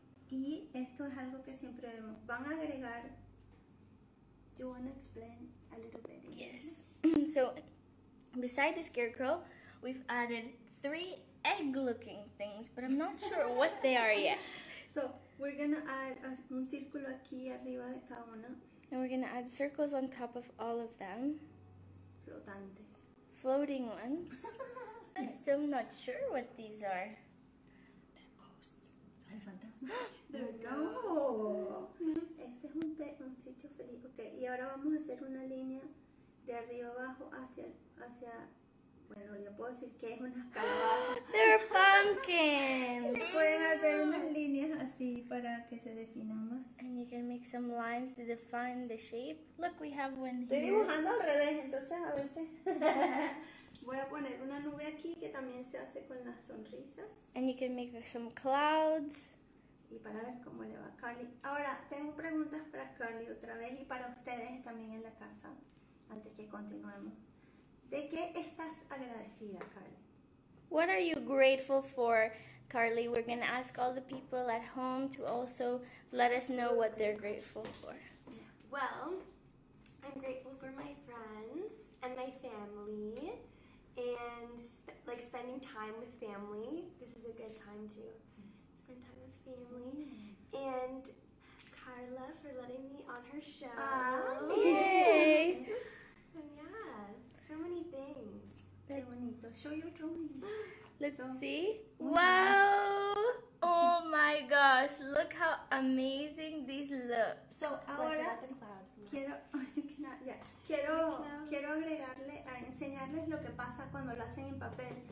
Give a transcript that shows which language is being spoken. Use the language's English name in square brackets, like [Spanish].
[Spanish] Y esto es algo que siempre vemos. Van a agregar. [English] You want to explain a little bit? Yes. So, beside the scarecrow, we've added three egg-looking things, but I'm not sure what they are yet. So, we're going to add [Spanish] un círculo aquí arriba de cada una. [English] And we're going to add circles on top of all of them. [Spanish] Flotantes. [English] Floating ones. I'm still not sure what these are. [Spanish] No. Este es un sitio feliz. Ok, y ahora vamos a hacer una línea de arriba abajo hacia bueno, yo puedo decir que es una calabaza. [English] They're pumpkins. [Spanish] Pueden hacer unas líneas así para que se definan más. [English] And you can make some lines to define the shape. Look, we have one here. [Spanish] Estoy dibujando al revés, entonces a veces voy a poner una nube aquí que también se hace con las sonrisas. [English] And you can make some clouds. [Spanish] Y para ver cómo le va a Carly. Ahora, tengo preguntas para Carly otra vez y para ustedes también en la casa, antes que continuemos. ¿De qué estás agradecida, Carly? [English] What are you grateful for, Carly? We're going to ask all the people at home to also let us know what they're grateful for. Well, I'm grateful for my friends and my family. And like spending time with family, this is a good time to spend time with family. And Carla for letting me on her show. Yay! And yeah, so many things. [Spanish] Qué bonito. [English] Show your drawing. Let's see. Wow! Oh my gosh! Look how amazing these look. So ahora the cloud. [Spanish] Quiero. Quiero agregarle, a enseñarles lo que pasa cuando lo hacen en papel.